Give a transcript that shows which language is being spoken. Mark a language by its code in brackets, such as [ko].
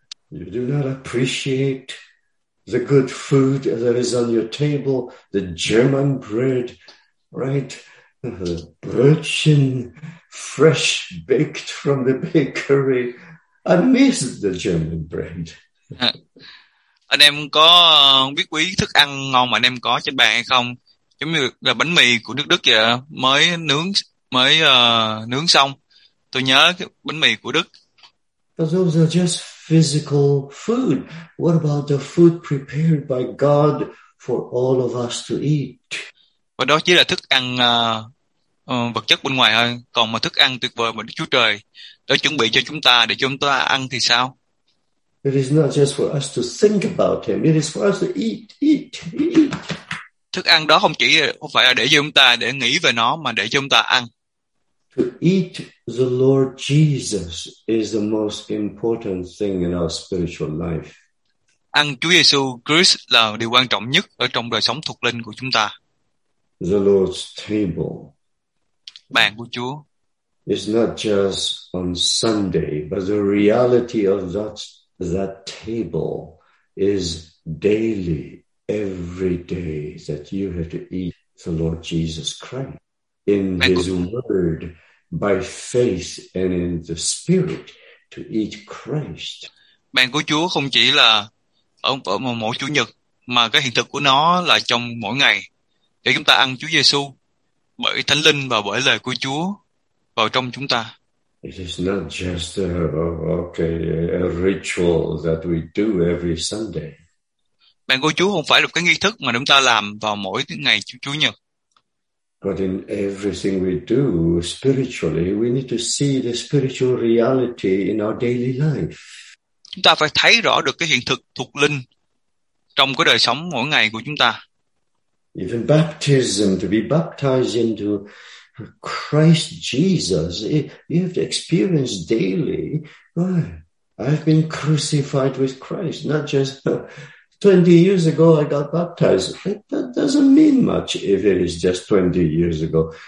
[en] You do not appreciate the good food that is on your table, the German bread, right? The Brötchen, fresh baked from the bakery. I miss the German bread. [vi] Anh em có biết quý thức ăn ngon mà anh em có trên bàn hay không? Giống như là bánh mì của nước Đức vậy, mới nướng xong. Tôi nhớ cái bánh mì của Đức. [en] Those are just physical food. What about the food prepared by God for all of us to eat? [vi] Và đó chỉ là thức ăn vật chất bên ngoài thôi. Còn mà thức ăn tuyệt vời mà Đức Chúa Trời đã chuẩn bị cho chúng ta để chúng ta ăn thì sao? [en] It is not just for us to think about him. It is for us to eat, eat, eat. [vi] Thức ăn đó không chỉ không phải là để cho chúng ta để nghĩ về nó mà để cho chúng ta ăn. [en] To eat the Lord Jesus is the most important thing in our spiritual life. [vi] Ăn Chúa Giêsu Christ là điều quan trọng nhất ở trong đời sống thuộc linh của chúng ta. [en] The Lord's table. [vi] Bàn của Chúa. [en] It's not just on Sunday, but the reality of that table is daily, every day that you have to eat the Lord Jesus Christ in His Word, by faith and in the Spirit to eat Christ. [vi] Bàn của Chúa không chỉ là ở mỗi Chủ nhật, mà cái hiện thực của nó là trong mỗi ngày để chúng ta ăn Chúa Giêsu bởi Thánh Linh và bởi lời của Chúa vào trong chúng ta. [en] It is not just a ritual that we do every Sunday. [vi] Bàn của Chúa không phải là cái nghi thức mà chúng ta làm vào mỗi ngày Chủ nhật. [en] But in everything we do spiritually, we need to see the spiritual reality in our daily life. [vi] Chúng ta phải thấy rõ được cái hiện thực thuộc linh trong cái đời sống mỗi ngày của chúng ta. [en] Even baptism, to be baptized into Christ Jesus, you have to experience daily. Why? I've been crucified with Christ, not just 20 years ago I got baptized. That doesn't mean much if it is just 20 years ago.